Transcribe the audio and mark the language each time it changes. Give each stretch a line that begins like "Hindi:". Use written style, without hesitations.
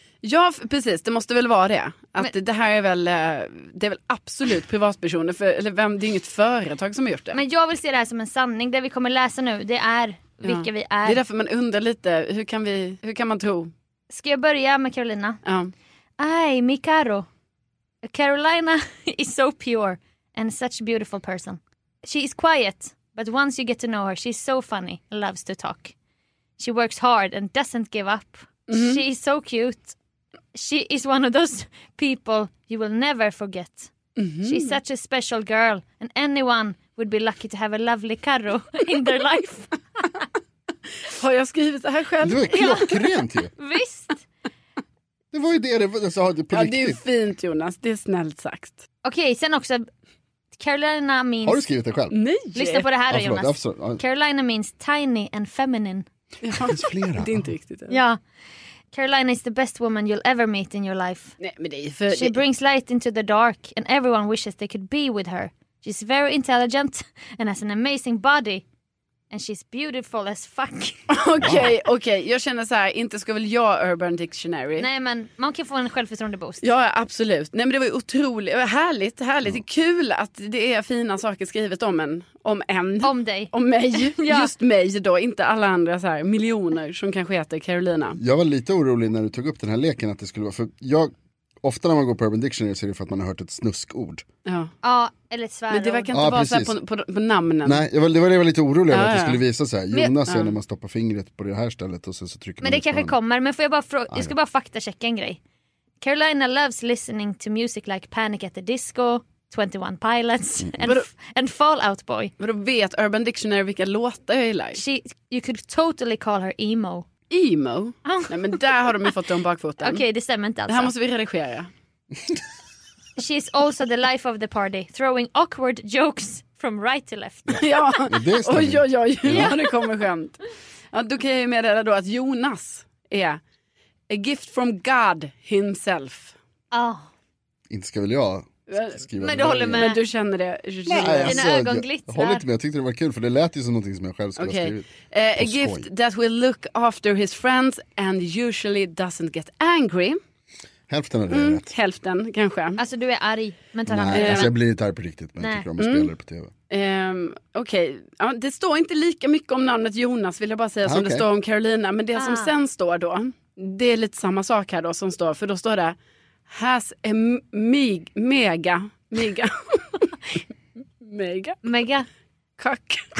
Swedish: Ja, precis, det måste väl vara det. Att men, det här är väl, det är väl absolut privatpersoner för, eller vem, det är inget företag som har gjort det. Men jag vill se det här som en sanning. Det vi kommer läsa nu, det är vilka vi är. Det är därför man undrar lite, hur kan man tro? Ska jag börja med Carolina? Ja.
Spanish: Ay, mi caro.
English: Carolina is so pure and such a beautiful person. She is quiet, but once you get to know her, she's so funny and loves to talk. She works hard and doesn't give up. Mm-hmm. She is so cute. She is one of those people you will never forget. Mm-hmm. She's such a special girl. And anyone would be lucky to have a lovely Caro in their life.
Swedish: Har jag skrivit det här själv? Det var klockrent ju. Visst. Det var ju det jag sa på riktigt. Ja, det är fint, Jonas. Det är snällt sagt. Okej, sen också...
English: Carolina means...
Swedish: Har du skrivit det själv? Nej. Lyssna på det här då, Jonas. Absolut.
English: Carolina means tiny and feminine.
Swedish: Det finns flera. Det är inte riktigt. Ja.
English: Carolina is the best woman you'll ever meet in your life.
Swedish: Nej, men det är för...
English: She brings light into the dark and everyone wishes they could be with her. She's very intelligent and has an amazing body. And she's beautiful as fuck.
Swedish: Okej. Jag känner så här, inte ska väl jag Urban Dictionary. Nej, men man kan få en självförtroende boost. Ja, absolut. Nej, men det var ju otroligt. Det var härligt, härligt. Det är kul att det är fina saker skrivet om en. Om en. Om dig. Om mig. Ja. Just mig då. Inte alla andra så här miljoner som kanske heter Carolina. Jag var lite orolig när du tog upp den här leken att det skulle vara. För jag, ofta när man går på Urban Dictionary så är det för att man har hört ett snuskord. Ja. Eller ett svärord. Men det verkar inte vara precis. på namnen. Nej, det var lite orolig att det skulle visa sig. Jonas är när man stoppar fingret på det här stället och sen så trycker men det kanske kommer, men får jag bara jag ska bara faktachecka en grej.
English: Carolina loves listening to music like Panic at the Disco, 21 Pilots and Fallout Boy.
Swedish: Men då vet Urban Dictionary vilka låtar jag gillar.
English: You could totally call her emo.
Swedish: Emo? Nej, men där har de ju fått dem bakfoten. Okej, det stämmer inte alls. Det här måste vi redigera.
English: She is also the life of the party, throwing awkward jokes from right to left.
Swedish: Ja, oj. Ja, det kommer skämt. Ja, då kan jag ju meddela då att Jonas är
English: a gift from God himself.
Swedish: Inte ska väl jag skriva men du håller med. Men du känner det. Nej, dina ögon glittrar. Jag håller inte med, jag tyckte det var kul för det lät ju som någonting som jag själv skulle ha skrivit.
English: A gift that will look after his friends and usually doesn't get angry.
Swedish: Hälften av det är rätt. Hälften, kanske. Alltså du är arg. Men tar nej, alltså, jag blir inte arg på riktigt, men nej. Jag tycker om att spela det på tv. Okej, okay. Ja, det står inte lika mycket om namnet Jonas, vill jag bara säga, som okay. Det står om Carolina. Men det som sen står då, det är lite samma sak här då som står, för då står det
English: has a mega mega cock.